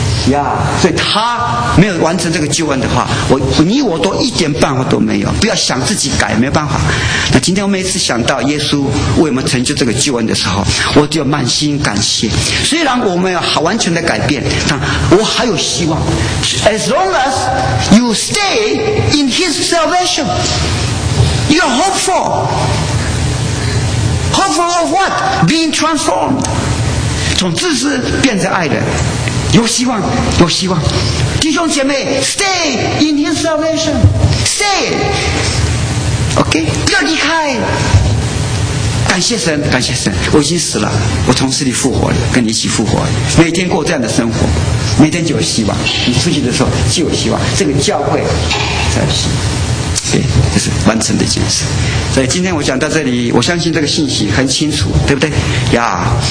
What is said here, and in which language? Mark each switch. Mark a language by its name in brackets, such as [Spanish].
[Chinese] 呀，所以他没有完成这个救恩的话，你我都一点办法都没有，不要想自己改，没办法。那今天我每次想到耶稣为我们成就这个救恩的时候，我只有满心感谢。虽然我们要完全的改变，但我还有希望。 [English] As long as you stay in his salvation, you are hopeful. Hopeful of what? Being transformed, [Chinese] 从自私变成爱人，有希望，有希望。弟兄姐妹 [English] stay in his salvation, stay, OK, [Chinese] 不要离开。感谢神，感谢神，我已经死了，我从死里复活了，跟你一起复活了，每天过这样的生活，每天就有希望，你出去的时候就有希望，这个教会才有希望。对，这是完成的一件事。所以今天我讲到这里，我相信这个信息很清楚，对不对呀？